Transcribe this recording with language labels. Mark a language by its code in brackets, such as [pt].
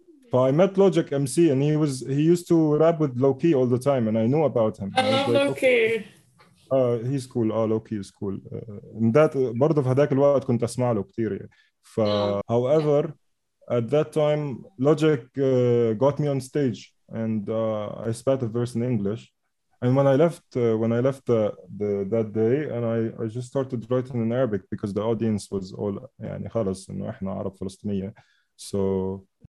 [en] But I met Logic MC and he used to rap with Low Key all the time and I knew about him. I love Low Key. He's cool. Low Key is cool. And that, [ar] برضه في هذاك الوقت كنت أسمع له كتير. [en] However, at that time, Logic got me on stage and I spat a verse in English. And when I left that day, and I just started writing in Arabic because the audience was all, [ar] يعني خلص إنه إحنا عرب فلسطينية. [en] So.